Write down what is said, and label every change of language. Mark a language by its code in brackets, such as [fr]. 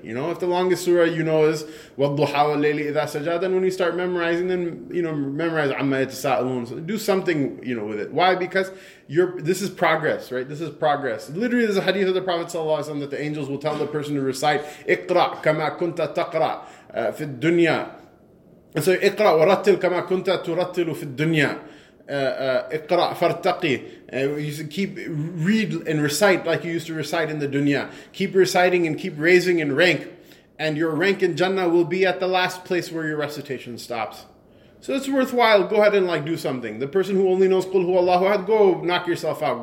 [en] You know, if the longest surah you know is Wadduha wa layli idha saja, then when you start memorizing, then, you know, memorize Amma yatasa'alun. So do something, you know, with it. Why? Because this is progress, right? This is progress. Literally, there's a hadith of the Prophet ﷺ that the angels will tell the person to recite [ar] Iqra kama kunta taqra. في الدنيا. اقرأ ورتل كما كنت ترتل في الدنيا. اقرأ فارتقي. [en] Keep read and recite like you used to recite in the dunya. Keep reciting and keep raising in rank, and your rank in Jannah will be at the last place where your recitation stops. So it's worthwhile. Go ahead and like do something. The person who only knows Qul Hu Allahu Ahad, go knock yourself out.